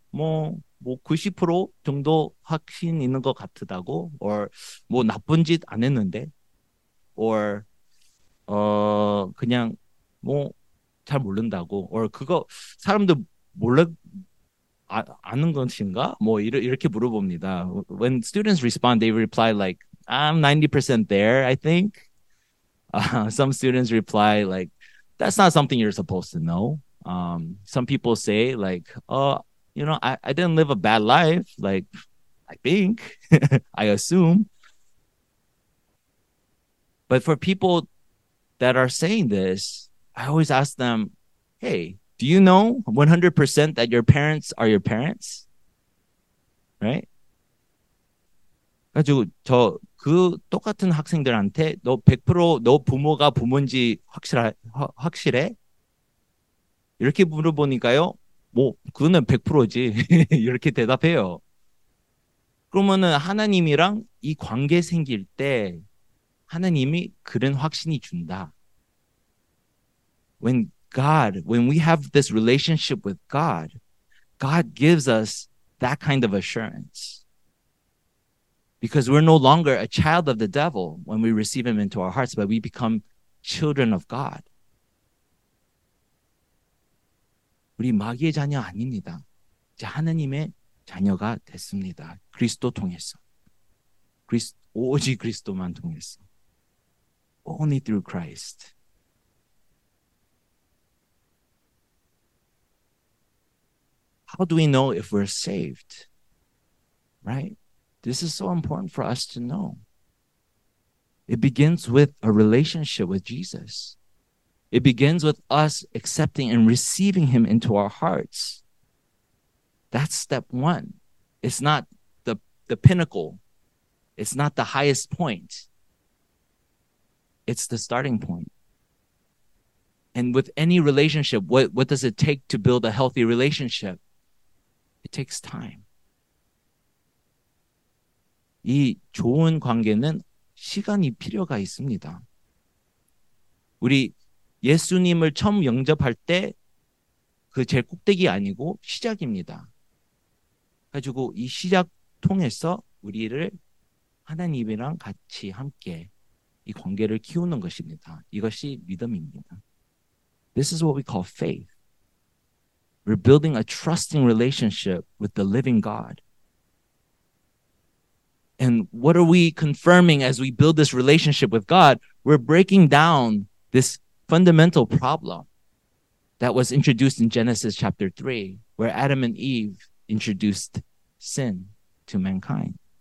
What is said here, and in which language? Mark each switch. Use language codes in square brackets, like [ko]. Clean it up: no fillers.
[ko] 뭐 90% 정도 확신 있는 것 같다고, or 뭐 나쁜 짓 안 했는데, or 그냥 뭐 잘 모른다고, or 그거 사람들 몰라 아는 것인가? 뭐 이렇게 물어봅니다. [en] When students respond, they reply like, I'm 90% there, I think. Some students reply like, that's not something you're supposed to know. Some people say like, you know, I didn't live a bad life. Like, I think, I assume. But for people that are saying this, I always ask them, hey, do you know 100% that your parents are your parents? Right? [ko] 그래서 저 그 똑같은 학생들한테 너 100% 너 부모가 부모인지 확실해? 이렇게 물어보니까요, 뭐 그거는 100%지 이렇게 대답해요. 그러면은 하나님이랑 이 관계 생길 때 하나님이 그런 확신이 준다. [en] When God, when we have this relationship with God, God gives us that kind of assurance. Because we're no longer a child of the devil when we receive him into our hearts, but we become children of God. [ko] 우리 마귀의 자녀 아닙니다. 이제 하나님의 자녀가 됐습니다. 그리스도 통해서. 오직 그리스도만 통해서. [en] Only through Christ. How do we know if we're saved? Right? This is so important for us to know. It begins with a relationship with Jesus. It begins with us accepting and receiving him into our hearts. That's step one. It's not the pinnacle. It's not the highest point. It's the starting point. And with any relationship, what does it take to build a healthy relationship? It takes time. [ko] 이 좋은 관계는 시간이 필요가 있습니다. 우리 예수님을 처음 영접할 때 그 제일 꼭대기 아니고 시작입니다. 가지고 이 시작 통해서 우리를 하나님이랑 같이 함께 이 관계를 키우는 것입니다. 이것이 믿음입니다. [en] This is what we call faith. We're building a trusting relationship with the living God. And what are we confirming as we build this relationship with God? We're breaking down this fundamental problem that was introduced in Genesis chapter 3, where Adam and Eve introduced sin to mankind.